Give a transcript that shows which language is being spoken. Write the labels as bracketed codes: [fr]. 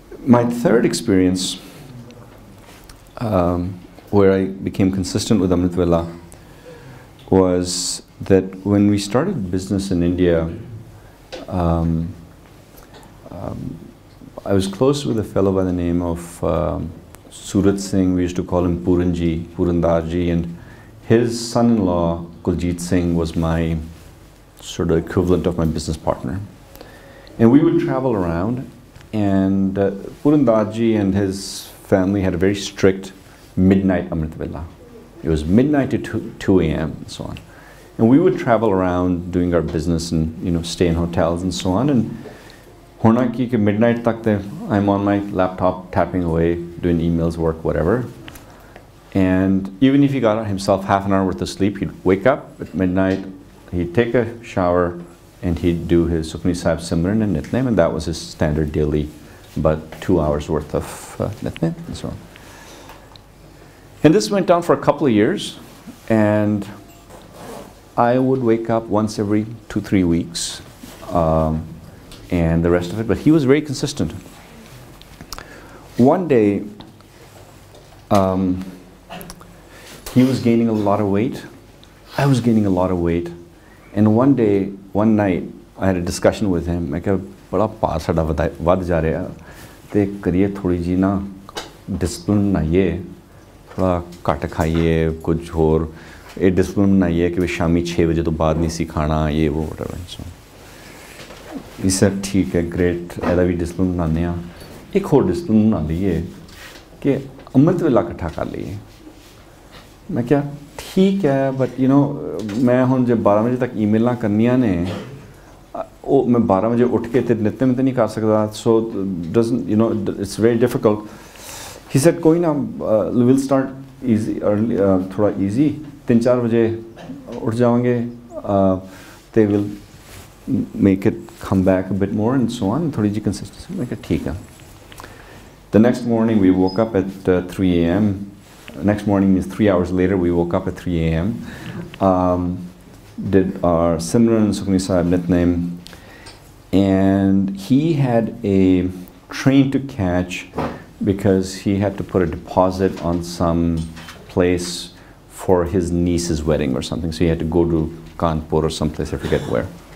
[en] My third experience where I became consistent with Amrit vela was that when we started business in India, I was close with a fellow by the name of Surat Singh, we used to call him Puranji, Purandarji, and his son-in-law, Kuljeet Singh, was my sort of equivalent of my business partner. And we would travel around, and Purandarji and his family had a very strict midnight Amrit Vela. It was midnight to 2 a.m. and so on. And we would travel around doing our business and, you know, stay in hotels and so on. And [pa] ਹੋਣਾ ਕੀ ਕਿ midnight ਤੱਕ ਤਾਂ [en] I am on my laptop tapping away doing emails work whatever, and even if you got himself half an hour worth of sleep, he wake up at midnight, he take a shower and he do his Sukhmani Sahib simran and Nitnem, and that was his standard daily but 2 hours worth of Nitnem and so on, and this went down for a couple of years, and I would wake up once every 2-3 weeks and the rest of it, but he was very consistent. One day, he was gaining a lot of weight. I was gaining a lot of weight. And one day, one night, I had a discussion with him. I said, [pa] ਬੜਾ ਭਾਰ ਸਾਡਾ ਵਧ ਜਾ ਰਿਹਾ ਅਤੇ ਕਰੀਏ ਥੋੜ੍ਹੀ ਜਿਹੀ ਨਾ ਡਿਸਪਲਿਨ ਬਣਾਈਏ, ਥੋੜ੍ਹਾ ਘੱਟ ਖਾਈਏ, ਕੁਝ ਹੋਰ ਇਹ ਡਿਸਪਲਿਨ ਬਣਾਈਏ ਕਿ ਵੀ ਸ਼ਾਮੀ 6 ਵਜੇ ਤੋਂ ਬਾਅਦ ਨਹੀਂ ਸੀ ਖਾਣਾ, ਇਹ ਵੋ ਵਟਰ ਸੋ ਵੀ ਸਰ ਠੀਕ ਹੈ ਗ੍ਰੇਟ, ਇਹਦਾ ਵੀ ਡਿਸਪਲਿਨ ਬਣਾਉਂਦੇ ਹਾਂ। ਇੱਕ ਹੋਰ ਡਿਸਪਲਿਨ ਬਣਾ ਲਈਏ ਕਿ ਅੰਮ੍ਰਿਤ ਵੇਲਾ ਇਕੱਠਾ ਕਰ ਲਈਏ। ਮੈਂ ਕਿਹਾ ਠੀਕ ਹੈ, [en] but you know [pa] ਮੈਂ ਹੁਣ ਜੇ 12 ਵਜੇ ਤੱਕ ਈਮੇਲਾਂ ਕਰਨੀਆਂ ਨੇ ਉਹ ਮੈਂ 12 ਵਜੇ ਉੱਠ ਕੇ ਤਾਂ ਨਿਤਨੇਮ ਤਾਂ ਨਹੀਂ ਕਰ ਸਕਦਾ, [en] So doesn't you know it's very difficult. He said [pa] ਕੋਈ ਨਾ [en] will start easy early, [pa] ਥੋੜ੍ਹਾ ਈਜ਼ੀ 3-4 ਵਜੇ ਉੱਠ ਜਾਵਾਂਗੇ ਅਤੇ [en] Will make it come back bit more and so on, ਥੋੜ੍ਹੀ ਜਿਹੀ consistency. [pa] ਮੈਂ ਕਿਹਾ ਠੀਕ ਆ। [en] The next morning we woke up at 3 AM, next morning means 3 hours later, we woke up at 3 AM, did our simran Sukhmani Sahib Nitnem, and he had a train to catch because he had to put a deposit on some place for his niece's wedding or something, so he had to go to Kanpur or some place, I forget where.